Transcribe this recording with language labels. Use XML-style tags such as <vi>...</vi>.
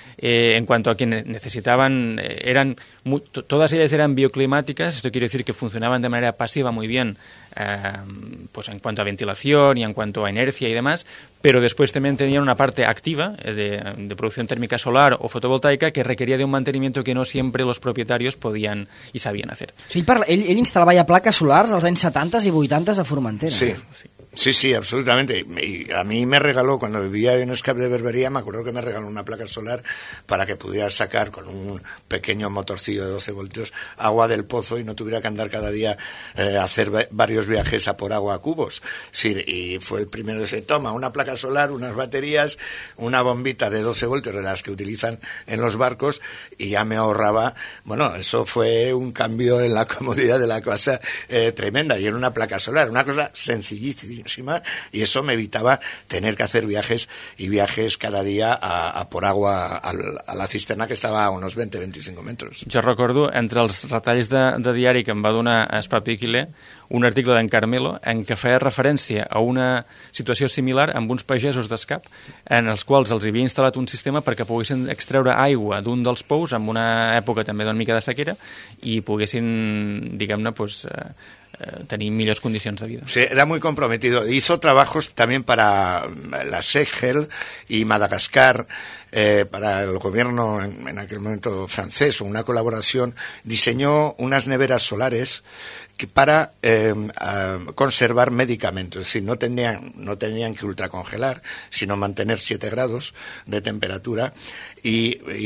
<es>En cuanto a que necesitaban, eran todas ellas eran bioclimáticas, esto quiere decir que funcionaban de manera pasiva muy bien, pues en cuanto a ventilación y en cuanto a inercia y demás, pero después también tenían una parte activa de producción térmica solar o fotovoltaica que requería de un mantenimiento que no siempre los propietarios podían y sabían hacer.</es> <ca>O sigui, ell instal·lava ja plaques solars als anys 70 i 80 a Formentera.</ca> <es>Sí, sí. Sí, sí, absolutamente. Y a mí me regaló, cuando vivía en Escape de Berbería, me acuerdo que me regaló una placa solar para que pudiera sacar con un pequeño motorcillo de 12 voltios agua del pozo y no tuviera que andar cada día a hacer varios viajes a por agua a cubos. Sí, y fue el primero que se toma una placa solar, unas baterías, una bombita de 12 voltios, de las que utilizan en los barcos, y ya me ahorraba. Bueno, eso fue un cambio en la comodidad de la casa tremenda. Y era una placa solar, una cosa sencillísima. Y eso me evitaba tener que hacer viajes y viajes cada día a por agua a la cisterna, que estaba a unos 20-25 metres.</es> <ca>Jo recordo, entre els retalls de diari que em va donar Espa Piquile, un article d'en Carmelo en què feia referència a una situació similar amb uns pagesos d'Escap en els quals els havia instal·lat un sistema perquè poguessin extreure aigua d'un dels pous en una època també d'una mica de sequera i poguessin, diguem-ne, pues, tenir millors condicions de vida.</ca> <es>Sí, era muy comprometido. Hizo trabajos también para la Segel y Madagascar, para el gobierno en aquel momento francés, una colaboración. Diseñó unas neveras solares para conservar medicamentos, es decir, no tenían que ultracongelar, sino mantener 7 grados de temperatura, y</es>